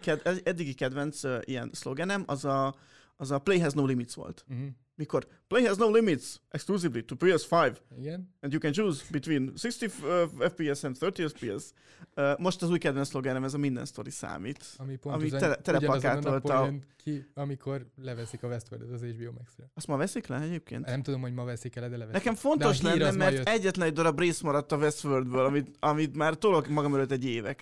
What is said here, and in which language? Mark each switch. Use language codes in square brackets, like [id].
[hu] Az eddigi kedvenc ilyen szlogenem, az a Play Has No Limits volt. [en] Mikor play has no limits, exclusively to PS5. [hu] Igen. [en] And you can choose between 60 FPS and 30 FPS. [hu] Most az új kedvenc szlogenem, ez a minden sztori számít. Ami pont ami telepakátolta. Amikor leveszik a Westworld-et az HBO Max-re. Azt ma veszik le egyébként? Nem tudom, hogy ma veszik el, de leveszik. Nekem fontos lenne, mert egyetlen egy darab rész maradt a Westworld-ből, amit már tolok magam előtt egy éve kb.